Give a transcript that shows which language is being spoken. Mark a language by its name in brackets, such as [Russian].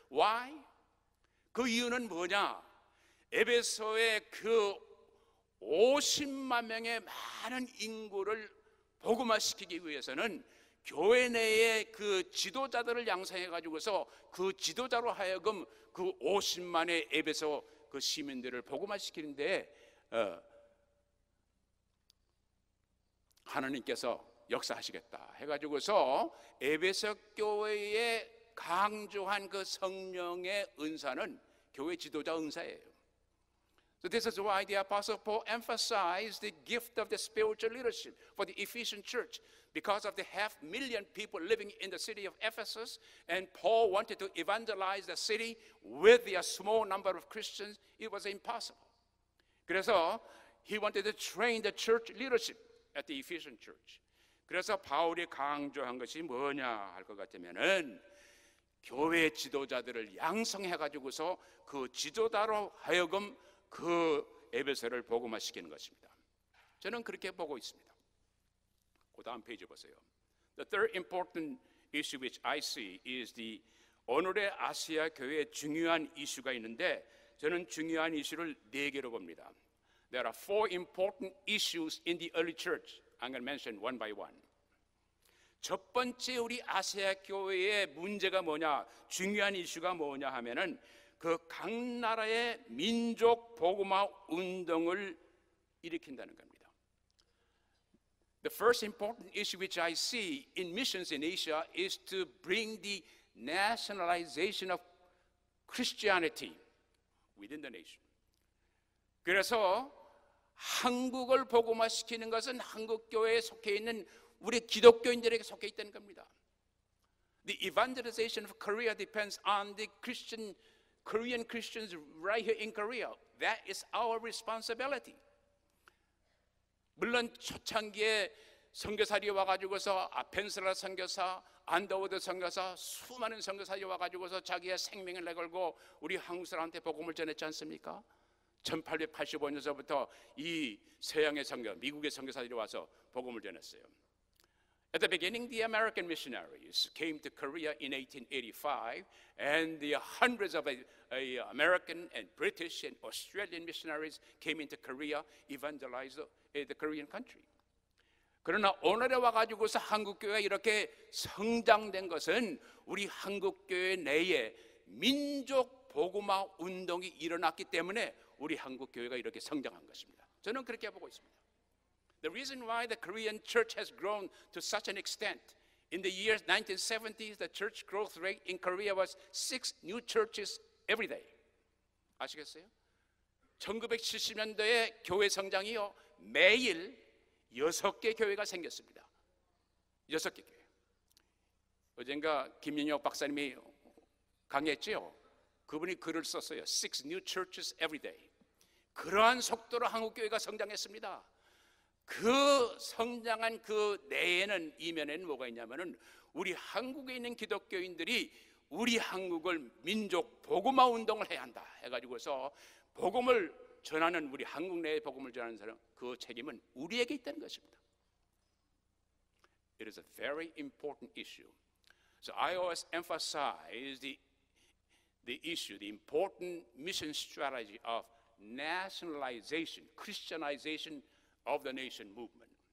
[English] Why? [Korean] 그 이유는 뭐냐? 에베소의 그 50만 명의 많은 인구를 복음화시키기 위해서는 교회 내에 그 지도자들을 양성해가지고서 그 지도자로 하여금 그 50만의 에베소 그 시민들을 복음화시키는데 하나님께서 역사하시겠다 해가지고서 에베소 교회에 강조한 그 성령의 은사는 교회 지도자 은사예요. [English] So this is why the Apostle Paul emphasized the gift of the spiritual leadership for the Ephesian church because of the half million people living in the city of Ephesus and Paul wanted to evangelize the city with a small number of Christians. It was impossible. [Korean] 그래서 [English] he wanted to train the church leadership at the Ephesian church. [Korean] 그래서 바울이 강조한 것이 뭐냐 할 것 같으면은 교회 지도자들을 양성해가지고서 그 지도자로 하여금 그 에베소를 복음화시키는 것입니다. 저는 그렇게 보고 있습니다. 그 다음 페이지 보세요. [English] The third important issue which I see is the [Korean] 오늘의 아시아 교회의 중요한 이슈가 있는데 저는 중요한 이슈를 네 개로 봅니다. [English] There are four important issues in the early church. I'm going to mention one by one. [Korean] 첫 번째 우리 아시아 교회의 문제가 뭐냐, 중요한 이슈가 뭐냐 하면은 그 각 나라의 민족 복음화 운동을 일으킨다는 겁니다. [English] The first important issue which I see in missions in Asia is to bring the nationalization of Christianity within the nation. [Korean] 그래서 한국을 복음화시키는 것은 한국 교회에 속해 있는 우리 기독교인들에게 속해 있다는 겁니다. [English] The evangelization of Korea depends on the Christian, Korean Christians right here in Korea. That is our responsibility. [Korean] 물론 초창기에 선교사들이 와가지고서 아펜슬라 선교사, 안더우드 선교사, 수많은 선교사들이 와가지고서 자기의 생명을 내걸고 우리 한국 사람한테 복음을 전했지 않습니까? 1885년서부터 이 서양의 선교, 미국의 선교사들이 와서 복음을 전했어요. [English] At the beginning, the American missionaries came to Korea in 1885, and the hundreds of American and British and Australian missionaries came into Korea, evangelized the Korean country. [Korean] 그러나 오늘에 와가지고서 한국 교회 이렇게 성장된 것은 우리 한국 교회 내에 민족 복음화 운동이 일어났기 때문에 우리 한국 교회가 이렇게 성장한 것입니다. 저는 그렇게 보고 있습니다. [English] The reason why the Korean church has grown to such an extent in the years 1970s, the church growth rate in Korea was 6 new churches every day. [Korean] 아시겠어요? 1970년도에 교회 성장이요, 매일 6개 교회가 생겼습니다. 6개 교회. 어젠가 김윤혁 박사님이 강의했죠. 그분이 글을 썼어요. [English] Six new churches every day. [Korean] 그러한 속도로 한국 교회가 성장했습니다. 그 성장한 그 내에는, 이면에는 뭐가 있냐면은, 우리 한국에 있는 기독교인들이 우리 한국을 민족 복음화 운동을 해야 한다 해가지고서 복음을 전하는, 우리 한국 내에 복음을 전하는 사람, 그 책임은 우리에게 있다는 것입니다. [English] It is a very important issue. So IOS emphasized the issue, the important mission strategy of nationalization, Christianization of the nation movement.